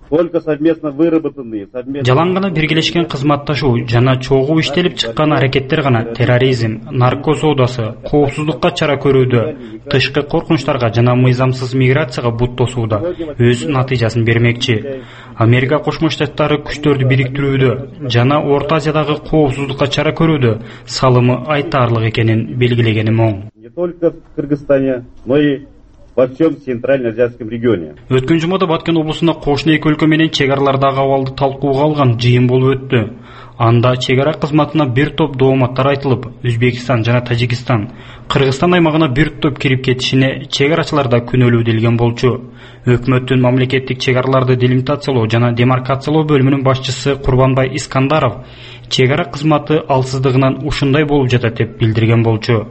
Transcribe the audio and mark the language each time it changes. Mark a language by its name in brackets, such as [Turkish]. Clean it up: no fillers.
[Kyrgyz] Жалаң гана биргелешкен кызматташуу жана чогуу иштелип чыккан аракеттер гана терроризм, наркоз соодасы, коопсуздукка чара көрүүдө, тышкы коркунучтарга жана мыйзамсыз миграцияга бут тосууда өз натыйжасын бермекчи. Америка Кошмо Штаттары күчтөрдү бириктирүүдө жана Орто Азиядагы коопсуздукка чара көрүүдө салымы айтаарлык экенин белгилегени моң. [Russian] Не только в Кыргызстане, но и во всем Центрально-Азиатском регионе. [Kyrgyz] Өткөн жумада Баткен облусунда кошуна эки өлкө менен чек аралардагы абалды талкууга алган жыйын болуп өттү. Анда чек ара кызматына бир топ дооматтар айтылып, Өзбекстан жана Тажикстан, Кыргызстан аймагына бир топ кирип кетишине чек арачылар да күнөлүү делген болчу. Өкмөттүн мамлекеттик чек араларды делимитациялоо жана демаркациялоо бөлүмүнүн башчысы Курбанбай Искандаров чек ара кызматы алсыздыгынан ушундай болуп жатат деп билдирген болчу.